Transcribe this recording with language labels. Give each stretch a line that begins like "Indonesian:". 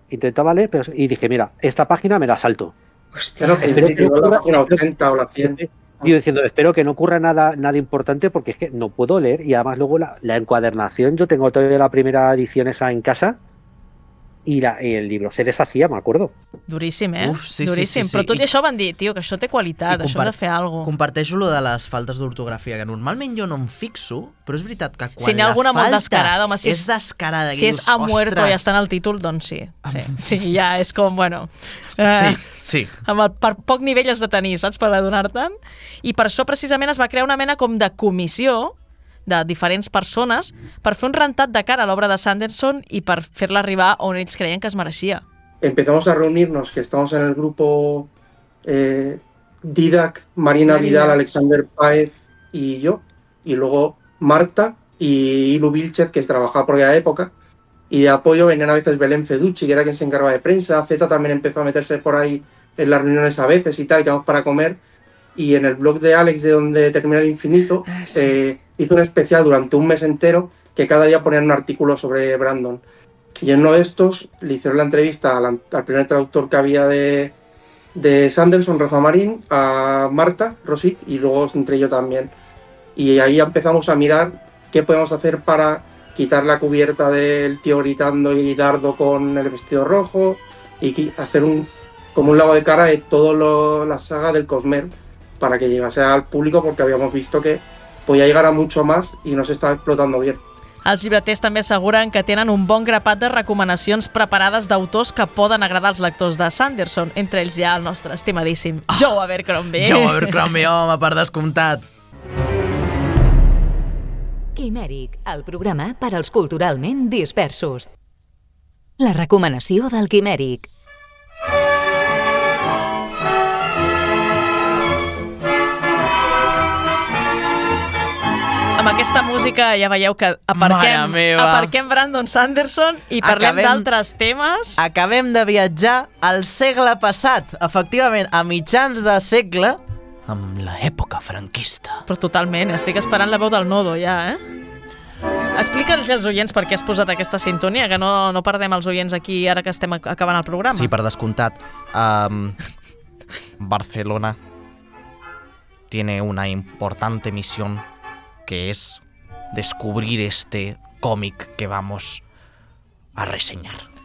Spanish: Intentaba leer, pero. Y dije, mira, esta página me la salto. Hostia, no, que sí, la página 80 o la 100. Yo diciendo, espero que no ocurra nada importante porque es que no puedo leer y además luego la encuadernación, yo tengo todavía la primera edición esa en casa y el libro se deshacía, me acuerdo.
Catalan: Duríssim, eh? Uf, sí, duríssim. Sí, sí, sí. Però tot i això van dir, tio, que això té qualitat, això ha de fer algo. Comparteixo lo de les faltes d'ortografia, que normalment jo no em fixo, però és veritat que quan si n'hi ha alguna molt descarada, home, si és descarada, si és
Spanish: ha muerto
Catalan: i està en el títol, doncs sí. Sí, sí, ja és com, bueno... Sí. Amb el, per poc nivell has de tenir, saps, per adonar-te'n. I per això, precisament, es va crear una mena com de comissió de diferents persones per fer un rentat de cara a l'obra de Sanderson i per fer-la arribar on ells creien que es mereixia.
Spanish: Empezamos a reunirnos, que estamos en el grupo Didac, Marina Vidal, Alexander Páez y yo, y luego Marta y Ilu Vilchev, que trabajaba por aquella época, y de apoyo venían a veces Belén Feducci, que era quien se encargaba de prensa, Zeta también empezó a meterse por ahí en las reuniones a veces y tal, que vamos para comer, y en el blog de Alex, de donde termina el infinito, sí. Hizo un especial durante un mes entero que cada día ponían un artículo sobre Brandon. Y en uno de estos le hicieron la entrevista al primer traductor que había de Sanderson, Rafa Marín, a Marta Rosic, y luego entre yo también. Y ahí empezamos a mirar qué podemos hacer para quitar la cubierta del tío gritando y dardo con el vestido rojo y hacer un como un lavado de cara de toda la saga del Cosmer para que llegase al público porque habíamos visto que
Catalan: podia arribar a mucho más i no s'està explotant bé. Els llibreters també asseguren que tenen un bon grapat de recomanacions preparades d'autors que poden agradar als lectors de Sanderson. Entre ells hi ha el nostre estimadíssim Joe Abercrombie. Joe Abercrombie, home, per descomptat. Quimèric, el programa per als culturalment dispersos. La recomanació del Quimèric. Amb aquesta música ja veieu que aparquem Brandon Sanderson i parlem d'altres temes. Acabem de viatjar al segle passat, efectivament, a mitjans de segle, amb l'època franquista. Però totalment, estic esperant la veu del Nodo ja, eh? Explica'ls als oients per què has posat aquesta sintonia, que no perdem els oients aquí ara que estem acabant el programa. Sí, per descomptat.
Spanish: Barcelona tiene una importante misión que es descubrir este cómic que vamos a reseñar.